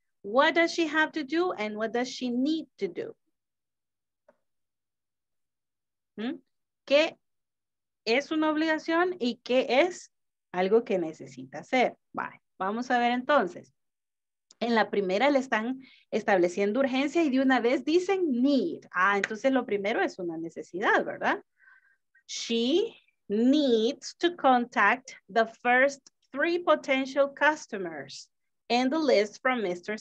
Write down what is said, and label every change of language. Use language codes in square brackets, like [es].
[en] What does she have to do and what does she need to do? [es] ¿Qué es una obligación y qué es algo que necesita hacer? Vale. Vamos a ver entonces. En la primera le están estableciendo urgencia y de una vez dicen need. Ah, entonces lo primero es una necesidad, ¿verdad? [en] She needs to contact the first three potential customers in the list from Mr.